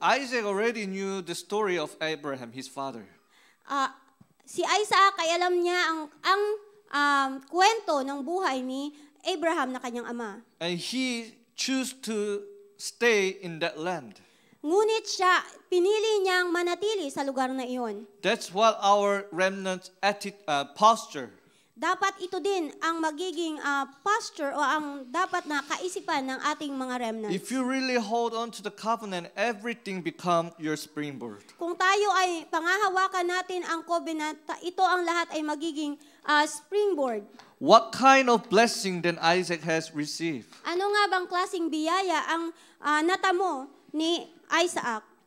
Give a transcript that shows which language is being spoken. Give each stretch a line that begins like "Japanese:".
English: Isaac already knew the story of Abraham, his father.
Filipino: Si Isaac ay alam niya ang kwento ng buhay ni Abraham na kanyang ama.
English: And he chose to stay in that land.
Filipino: Ngunit siya, pinili niyang manatili sa lugar na iyon.
English: That's what our remnant posture.
Filipino: dapat ito din ang magiging posture o ang dapat na kaisipan ng ating mga remnants.
English: If you really hold on to the covenant, everything becomes your springboard.
Filipino: Kung tayo ay pangahawakan natin ang covenant, ito ang lahat ay magiging springboard.
English: What kind of blessing then Isaac has received?
Filipino: Ano nga bang klaseng biyaya ang natamo ni Isaac?